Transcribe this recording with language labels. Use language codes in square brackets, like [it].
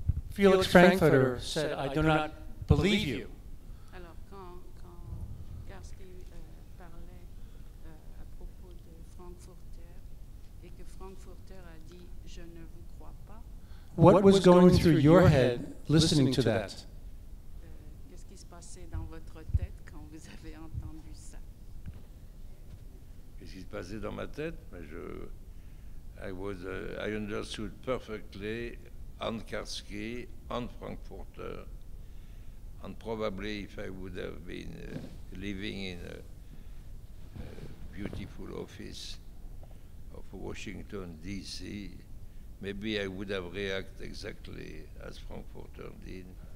[en] Felix Frankfurter said, I do not believe you. [fr] Alors, quand Karski parlait à propos de Frankfurter, et que Frankfurter a dit, je ne vous crois pas. [en] What was going through your head listening to that? [fr] Qu'est-ce qui se passait dans votre tête quand vous avez entendu ça? Qu'est-ce qui se passait dans ma tête? [en] I understood perfectly on Karski, on Frankfurter, and probably if I would have been living in a beautiful office of Washington, D.C., maybe I would have reacted exactly as Frankfurter did.